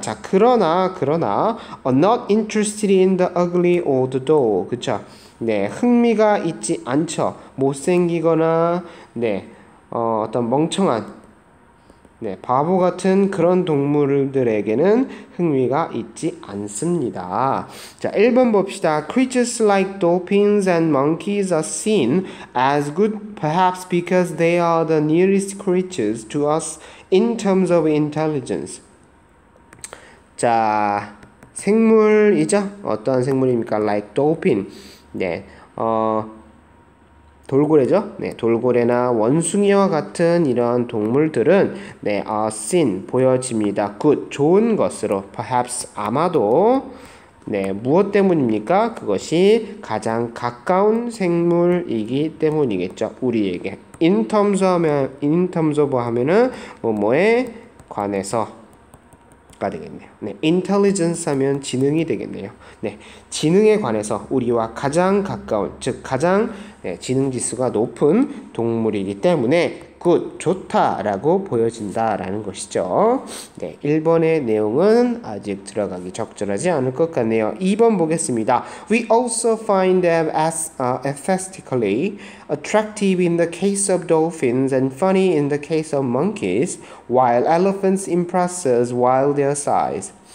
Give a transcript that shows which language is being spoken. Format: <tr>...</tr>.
<ko>자, 그러나</ko> <en>not interested in the ugly or the dull.</en> <ko>그쵸? 흥미가 있지 않죠. 못생기거나 어떤 멍청한 바보 같은 그런 동물들에게는 흥미가 있지 않습니다. 자, 1번 봅시다.</ko> <en>Creatures like dolphins and monkeys are seen as good perhaps because they are the nearest creatures to us in terms of intelligence.</en> <ko>자, 생물이죠? 어떤 생물입니까?</ko> <en>Like dolphin.</en> <ko>돌고래죠? 돌고래나 원숭이와 같은 이러한 동물들은</ko> <en>are seen</en> <ko>보여집니다. good 좋은 것으로 perhaps 아마도 무엇 때문입니까? 그것이 가장 가까운 생물이기 때문이겠죠. 우리에게</ko> <en>in terms of</en> <ko>하면은 뭐뭐에 관해서 가 되겠네요. intelligence 하면 지능이 되겠네요. 지능에 관해서 우리와 가장 가까운, 즉 가장 지능 지수가 높은 동물이기 때문에 good, 좋다라고 보여진다라는 것이죠. 1번의 내용은 아직 들어가기 적절하지 않을 것 같네요. 2번 보겠습니다.</ko> <en>We also find them as aesthetically attractive in the case of dolphins and funny in the case of monkeys, while elephants impress us while their size.</en>